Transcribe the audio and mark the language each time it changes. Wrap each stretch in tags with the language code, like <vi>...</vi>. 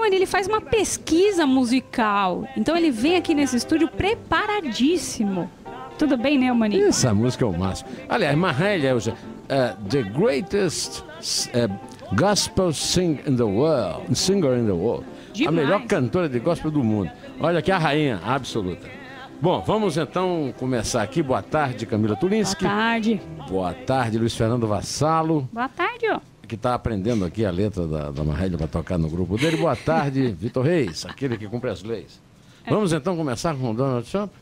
<pt>Faz uma pesquisa musical. Então ele vem aqui nesse estúdio preparadíssimo. Tudo bem, né, Mani? Essa música é o máximo. Aliás,</pt> <en>Mahalia, the greatest gospel singer in the world.</en> <pt>Demais. A melhor cantora de gospel do mundo. Olha aqui, a rainha absoluta. Bom, vamos então começar aqui. Boa tarde, Camila Tulinski. Boa tarde. Boa tarde, Luiz Fernando Vassalo. Boa tarde, ó. Que está aprendendo aqui a letra da Mahalia para tocar no grupo dele. Boa tarde, Vitor Reis, aquele que cumpre as leis. Vamos então começar com o Donald Trump?</pt>